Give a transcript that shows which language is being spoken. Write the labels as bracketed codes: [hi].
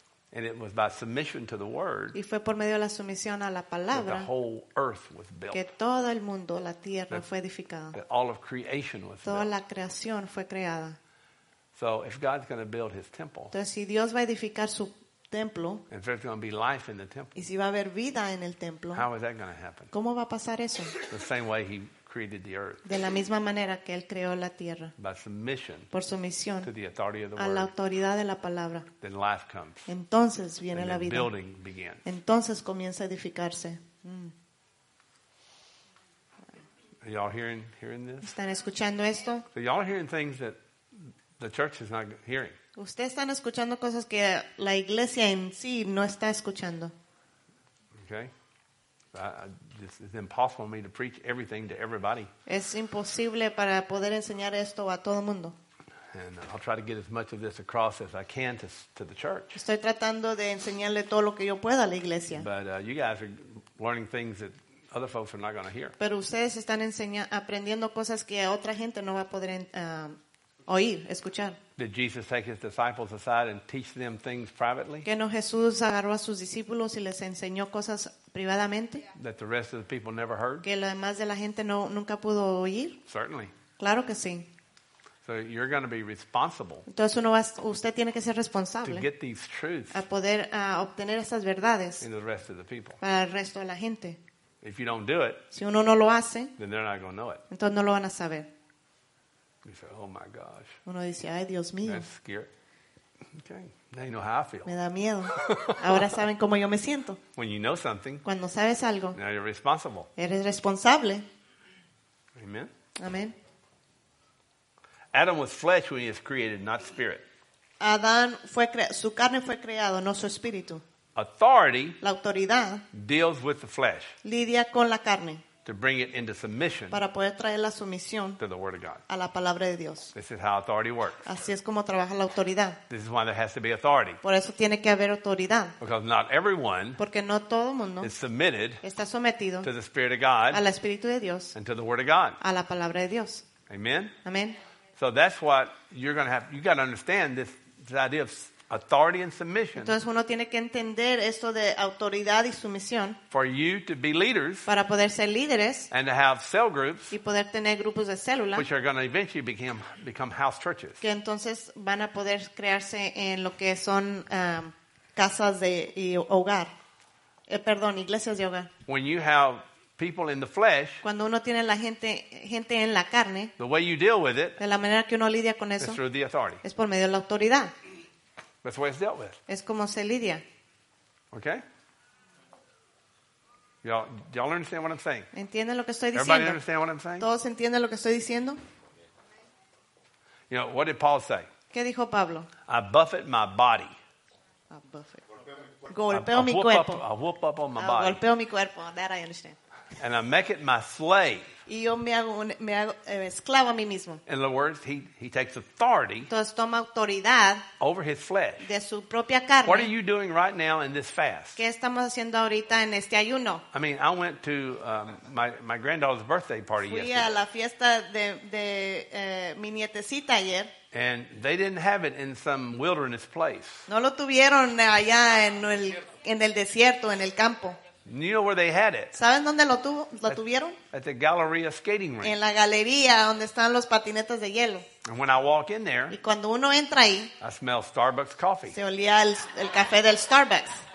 [en] And it was by submission to the word. [es] Y fue por medio de la sumisión a la palabra. [en] The whole earth was built. [es] Que todo el mundo, la tierra, fue edificada. [en] That all of creation was built. [es] Toda la creación fue creada. [en] So if God's going to build His temple. [es] Entonces si Dios va a edificar su templo. [en] And if there's going to be life in the temple. [es] Y si va a haber vida en el templo. [en] How is that going to happen? [es] ¿Cómo va a pasar eso? [en] The same way He created the earth. [es] De la misma manera que él creó la tierra. [en] By submission. [es] Por sumisión. [en] To the authority of the word. [es] A la autoridad de la palabra. [en] Then life comes. [es] Entonces viene la vida. [en] Building begins. [es] Entonces comienza a edificarse. [en] Are y'all hearing this? [es] ¿Están escuchando esto? [en] So y'all hearing things that the church is not hearing. [es] Ustedes están escuchando cosas que la iglesia en sí no está escuchando. [en] Okay. It's impossible for me to preach everything to everybody. [es] Es imposible para poder enseñar esto a todo mundo. [en] And I'll try to get as much of this across as I can to the church. [es] Estoy tratando de enseñarle todo lo que yo pueda a la iglesia. [en] But you guys are learning things that other folks are not going to hear. [es] Pero ustedes están aprendiendo cosas que otra gente no va a poder oír, escuchar. [en] Did Jesus take his disciples aside and teach them things privately? [es] ¿Que no Jesús agarró a sus discípulos y les enseñó cosas privadamente? [en] That the rest of the people never heard? [es] ¿Que lo demás de la gente no nunca pudo oír? [en] Certainly. [es] Claro que sí. [en] So you're going to be responsible. [es] Entonces usted tiene que ser responsable. [en] To get these truths. [es] A poder obtener esas verdades. [en] In the rest of the people. [es] Para el resto de la gente. [en] If you don't do it. [es] Si uno no lo hace. [en] Then they're not going to know it. [es] Entonces no lo van a saber. [en] You say, "Oh my gosh!" [es] Uno dice, "Ay, Dios mío!" [en] That's scary. Okay, now you know how I feel. [es] Me da miedo. Ahora saben cómo yo me siento. [en] When you know something. [es] Cuando sabes algo. [en] Now you're responsible. [es] Eres responsable. [en] Amen. [es] Amen. [en] Adam was flesh when he was created, not spirit. [es] Adán fue su carne fue creado, no su espíritu. [en] Authority. [es] La autoridad. [en] Deals with the flesh. [es] Lidia con la carne. [en] To bring it into submission. [es] Para poder traer la sumisión. [en] To the word of God. [es] A la palabra de Dios. [en] This is how authority works. [es] Así es como trabaja la autoridad. [en] This is why there has to be authority. [es] Por eso tiene que haber autoridad. [en] Because not everyone. [es] Porque no todo mundo. [en] Is submitted. [es] Está sometido. [en] To the spirit of God. [es] Al espíritu de Dios. [en] And to the word of God. [es] A la palabra de Dios. [en] Amen. [es] Amen. [en] So that's what you're going to have. You got to understand this idea of authority and submission. [es] Entonces uno tiene que entender esto de autoridad y sumisión. [en] For you to be leaders. [es] Para poder ser líderes. [en] And to have cell groups. [es] Y poder tener grupos de célula. [en] Which are going to eventually become house churches. [es] Que entonces van a poder crearse en lo que son casas de y hogar. Perdón, iglesias de hogar. [en] When you have people in the flesh. [es] Cuando uno tiene la gente en la carne. [en] The way you deal with it. [es] De la manera que uno lidia con eso. [en] Is through the authority. [es] Es por medio de la autoridad. [en] That's the way it's dealt with. [es] Es como se lidia. [en] Okay? Y'all understand what I'm saying? [es] ¿Entienden lo que estoy diciendo? [en] Everybody understand what I'm saying? [es] ¿Todos entienden lo que estoy diciendo? [en] You know, what did Paul say? [es] ¿Qué dijo Pablo? [en] I buffet my body. I buffet. [es] Golpeo mi cuerpo. [en] I whoop up on my body. [es] Golpeo mi cuerpo. [en] That I understand. And I make it my slave. [es] Y yo me hago esclavo a mí mismo. [en] In other words, he takes authority. [es] Entonces toma autoridad. [en] Over his flesh. [es] De su propia carne. [en] What are you doing right now in this fast? [es] ¿Qué estamos haciendo ahorita en este ayuno? [en] I mean, I went to my granddaughter's birthday party [es] fui [en] yesterday. [es] Fui a la fiesta de mi nietecita ayer. [en] And they didn't have it in some wilderness place. [es] No lo tuvieron allá en el desierto, en el campo. [en] You know where they had it? [es] ¿Saben dónde lo tuvieron? [en] At the Galleria skating rink. [es] En la galería donde están los patinetas de hielo. [en] And when I walk in there, [es] y cuando uno entra ahí, [en] I smell Starbucks coffee. [es] Se olía el café del Starbucks.